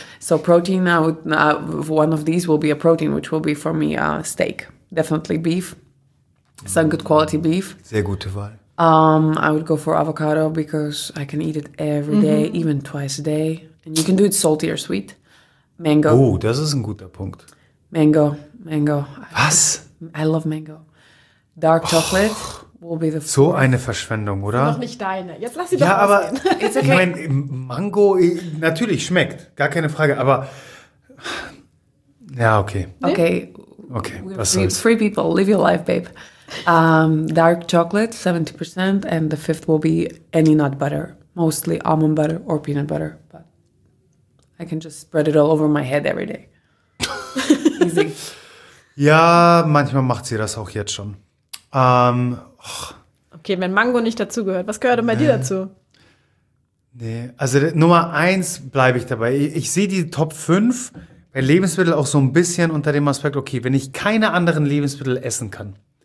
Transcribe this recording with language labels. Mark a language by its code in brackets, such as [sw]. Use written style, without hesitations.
[en] So protein, one of these will be a protein, which will be for me a steak. Definitely beef, some good quality beef. [de] Sehr gute Wahl. [en] I would go for avocado because I can eat it every day, even twice a day. And you can do it salty or sweet. Mango. [de] Oh, das ist ein guter Punkt. [en] Mango. [de] Was? [en] I love mango. Dark chocolate will be the fourth. [de] So eine Verschwendung, oder? Noch nicht deine. Jetzt lass sie doch ausgehen. Ja, aber [en] it's okay. [de] Ich mein, Mango, natürlich schmeckt, gar keine Frage, aber ja, okay. Okay. Okay, was soll's. [en] Free people, live your life, babe. Dark chocolate, 70%, and the fifth will be any nut butter, mostly almond butter or peanut butter, but I can just spread it all over my head every day. Easy. [de] Ja, manchmal macht sie das auch jetzt schon. Okay, wenn Mango nicht dazugehört, was gehört denn bei dir dazu? Nee, also Nummer eins bleibe ich dabei. Ich sehe die Top 5 bei Lebensmitteln auch so ein bisschen unter dem Aspekt, okay, wenn ich keine anderen Lebensmittel essen kann.